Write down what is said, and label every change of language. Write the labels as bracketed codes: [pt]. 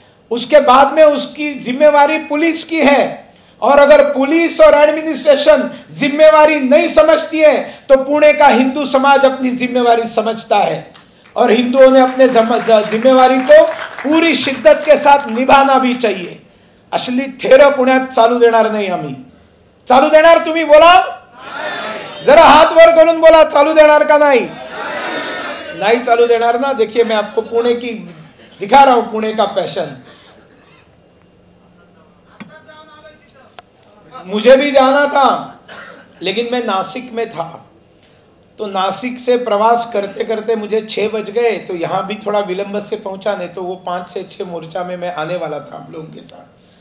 [hi] उसके बाद में उसकी जिम्मेवारी पुलिस की है, और अगर पुलिस और एडमिनिस्ट्रेशन जिम्मेवारी नहीं समझती है तो पुणे का हिंदू समाज अपनी जिम्मेवारी समझता है, और हिंदुओं ने अपने जिम्मेवारी को पूरी शिद्दत के साथ निभाना भी चाहिए। [mr] असली थेरो पुण्यात चालू देणार नाही आम्ही, चालू देणार तुम्ही बोला, जरा हात वर करून बोला, चालू देणार का नाही? नाही चालू देणार ना। [hi] देखिए मैं आपको पुणे की दिखा रहा हूं, पुणे का पैशन। मुझे भी जाना था लेकिन मैं नासिक में था, तो नासिक से प्रवास करते करते मुझे 6 बज गए, तो यहां भी थोड़ा विलंब से पहुंचा, नहीं तो वो 5 से 6 मोर्चा में मैं आने वाला था आप लोगों के साथ।